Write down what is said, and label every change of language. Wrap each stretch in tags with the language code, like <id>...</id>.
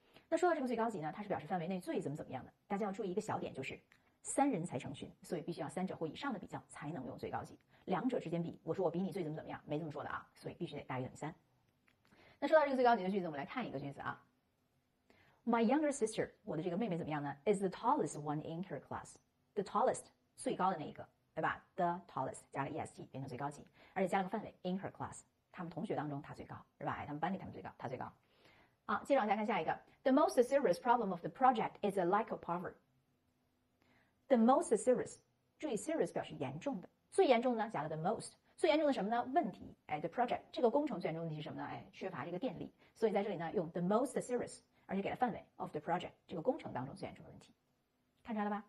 <zh>那说到这个最高级呢，它是表示范围内最怎么怎么样的，大家要注意一个小点，就是三人才成群，所以必须要三者或以上的比较才能用最高级，两者之间比，我说我比你最怎么怎么样，没这么说的啊，所以必须得大于等于三。那说到这个最高级的句子，我们来看一个句子啊。</zh> <en>My younger sister，</en> <zh>我的这个妹妹怎么样呢？</zh> <en>Is the tallest one in her class， The tallest，</en> <zh>最高的那一个，对吧？</zh> <en>The tallest</en> <zh>加了 est 变成最高级，而且加了个范围</zh> <en>in her class，</en> <zh>他们同学当中他最高，是吧？他们班里他们最高，他最高。啊，接着往下看下一个。</zh> <en>The most serious problem of the project is a lack of power. The most serious，</en> <zh>注意 serious 表示严重的，最严重的呢加了</zh> <en>the most，</en> <zh>最严重的什么呢？问题。哎 ，</zh> <en>the project</en> <zh>这个工程最严重的问题是什么呢？哎，缺乏这个电力。所以在这里呢用</zh> <en>the most serious，</en> <zh>而且给了范围</zh> <en>of the project</en> <zh>这个工程当中最严重的问题。看出来了吧？</zh>